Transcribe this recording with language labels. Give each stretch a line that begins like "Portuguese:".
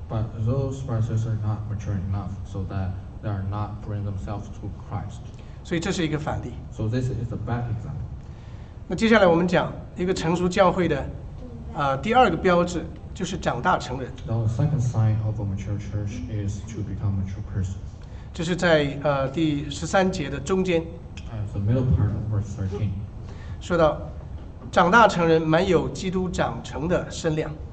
English: But those brothers are not mature enough so that they are not bring themselves to Christ.
Chinese: 所以这是一个反例。
English: So this is a bad example.
Chinese: 那接下来我们讲一个成熟教会的第二个标志，就是长大成人。
English: The second sign of a mature church is to become a mature person.
Chinese: 这是在第十三节的中间。
English: The middle part of verse 13.
Chinese: 说到长大成人满有基督长成的身量。